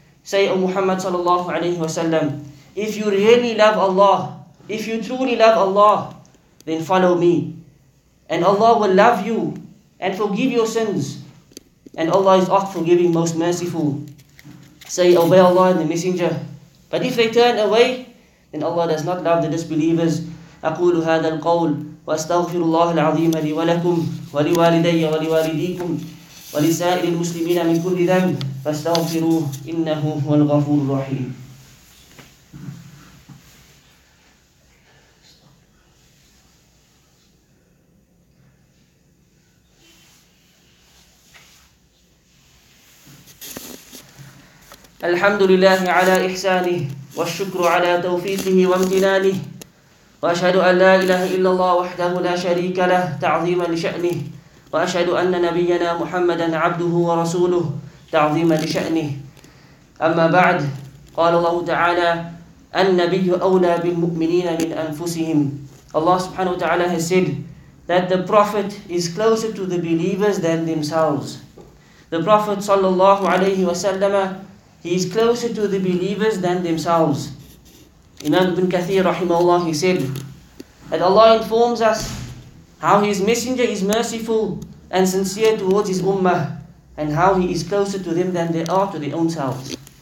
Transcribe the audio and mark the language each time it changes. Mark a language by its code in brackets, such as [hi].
[en] Say, O Muhammad sallallahu alayhi wa sallam, if you really love Allah, if you truly love Allah, then follow me. And Allah will love you and forgive your sins. And Allah is oft forgiving, most merciful. Say, obey Allah and the Messenger. But if they turn away, then Allah does not love the disbelievers. [ar] أقول هذا القول وأستغفر الله العظيم لي ولكم ولوالدي ولوالديكم ولسائر المسلمين من كل ذنب فاستغفروه إنه هو الغفور الرحيم. الحمد لله على إحسانه والشكر على توفيقه وامتنانه وأشهد أن لا إله إلا الله وحده لا شريك له تعظيما لشأنه وأشهد أن نبينا محمدا عبده ورسوله تعظيما لشأنه. أما بعد، قال الله تعالى النبي أولى بالمؤمنين من أنفسهم. [en] Allah subhanahu wa ta'ala has said that the Prophet is closer to the believers than themselves. The Prophet sallallahu alayhi wa sallam, he is closer to the believers than themselves. Imam ibn Kathir rahimahullah, he said that Allah informs us how his messenger is merciful and sincere towards his ummah and how he is closer to them than they are to their own selves.